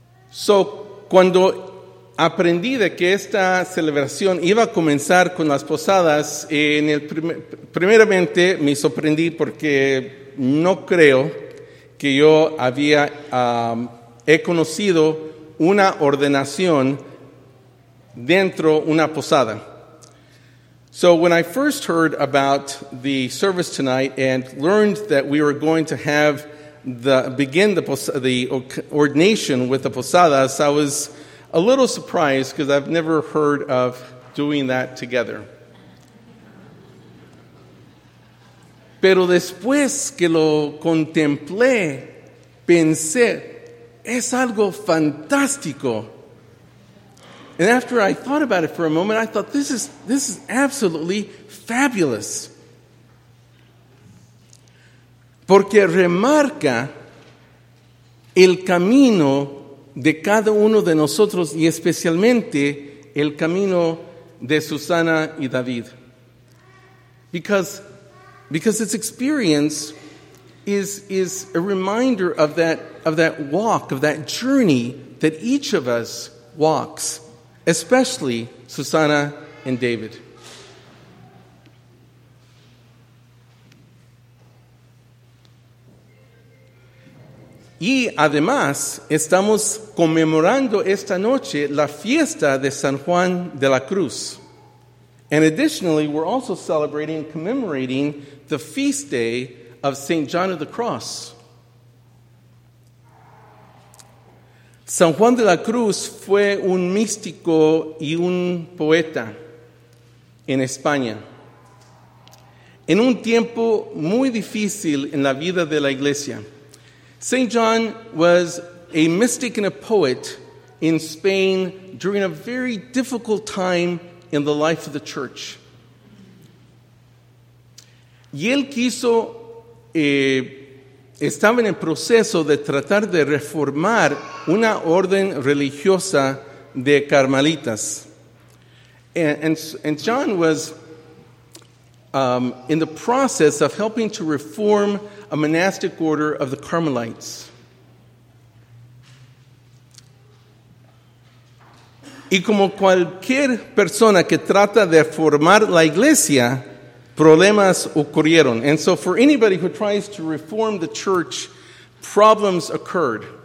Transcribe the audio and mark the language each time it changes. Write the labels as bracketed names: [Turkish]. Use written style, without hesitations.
[Spanish] So, cuando aprendí de que esta celebración iba a comenzar con las posadas, primeramente me sorprendí porque no creo que yo había he conocido una ordenación dentro una posada. [English] So when I first heard about the service tonight and learned that we were going to have the ordination with the posadas, I was a little surprised because I've never heard of doing that together. [Spanish] Pero después que lo contemplé, pensé, es algo fantástico. [English] And after I thought about it for a moment, I thought, this is absolutely fabulous. [Spanish] Porque remarca el camino de cada uno de nosotros y especialmente el camino de Susana y David. [English] Because its experience is a reminder of that walk, of that journey that each of us walks, especially Susana and David. [Spanish] Y además, estamos conmemorando esta noche la fiesta de San Juan de la Cruz. [English] And additionally, we're also celebrating and commemorating the feast day of St. John of the Cross. [Spanish] San Juan de la Cruz fue un místico y un poeta en España. En un tiempo muy difícil en la vida de la iglesia. [English] St. John was a mystic and a poet in Spain during a very difficult time in the life of the church. [Spanish] Y él quiso, estaba en el proceso de tratar de reformar una orden religiosa de Carmelitas. [English] And John was in the process of helping to reform a monastic order of the Carmelites. [Spanish] Y como cualquier persona que trata de formar la iglesia, problemas ocurrieron. [English] And so for anybody who tries to reform the church, problems occurred.